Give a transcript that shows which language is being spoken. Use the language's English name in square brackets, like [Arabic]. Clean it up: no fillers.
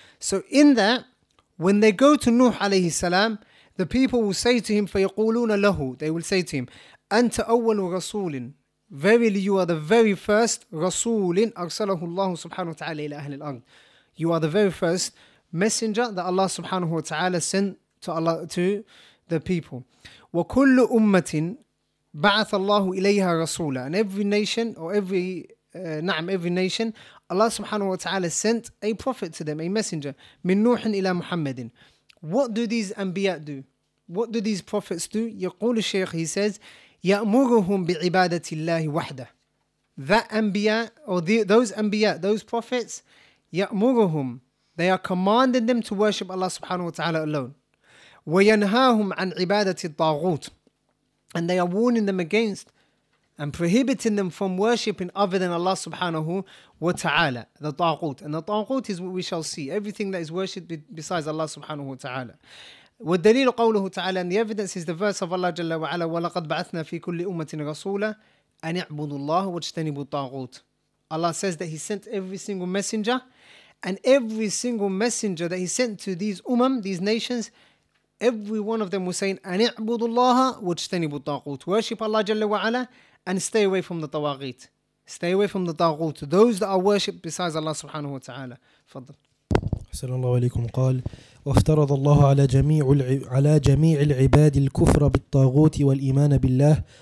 [English] So in that, when they go to Nuh alayhi salam, the people will say to him, [Arabic] فَيَقُولُونَ لَهُ, [English] they will say to him, [Arabic] أَنْتَ أَوَّلُ رَسُولٍ, [English] verily you are the very first [Arabic] رَسُولٍ أَرْسَلَهُ اللَّهُ سُبْحَانَهُ وَتَعَالَى إِلَى أَهْلِ الْأَرْضِ, [English] you are the very first messenger that Allah subhanahu wa ta'ala sent to Allah, to the people. [Arabic] وَكُلُّ أُمَّةٍ بَعَثَ اللَّهُ إِلَيْهَا رَسُولًا, [English] and every nation, or every every nation, Allah subhanahu wa ta'ala sent a prophet to them, a messenger, [Arabic] مِنْ نُوحٍ إِلَى مُحَمَّدٍ. [English] What do these anbiya do? What do these prophets do? [Arabic] يقول الشيخ, [English] he says, [Arabic] يَأْمُرُهُمْ بِعِبَادَةِ اللَّهِ وَحْدَهِ. [English] That anbiya, or those anbiya, those prophets, [Arabic] يَأْمُرُهُمْ, [English] they are commanding them to worship Allah subhanahu wa ta'ala alone. [Arabic] وَيَنْهَاهُمْ عَنْ عِبَادَةِ الطَّاغُوتِ, [English] and they are warning them against and prohibiting them from worshipping other than Allah subhanahu wa ta'ala, the ta'qut. And the ta'qut is what we shall see, everything that is worshipped besides Allah subhanahu wa ta'ala. [Arabic] وَالدَّلِيلُ قَوْلُهُ تَعَالَى, [English] and the evidence is the verse of Allah jalla wa'ala, [Arabic] وَلَقَدْ بَعَثْنَا فِي كُلِّ أُمَّةٍ رَسُولًا أَنِ اعْبُدُوا اللَّهُ وَاجْتَنِبُوا الطَّاغُوتِ. [English] Allah says that He sent every single messenger, and every single messenger that He sent to these umam, these nations, every one of them was saying, [Arabic] أَنِ اعْبُدُوا اللَّهَ وَاجْتَنِبُوا الطَّاغُوتِ, [English] worship Allah jalla wa'ala, and stay away from the tawagheet. Stay away from the tawagheet. Those that are worshipped besides Allah subhanahu wa ta'ala. [Arabic] Fadl. Assalamu alaykum. Qal. وافترض الله على جميع العباد الكفر بالطاغوت والإيمان بالله.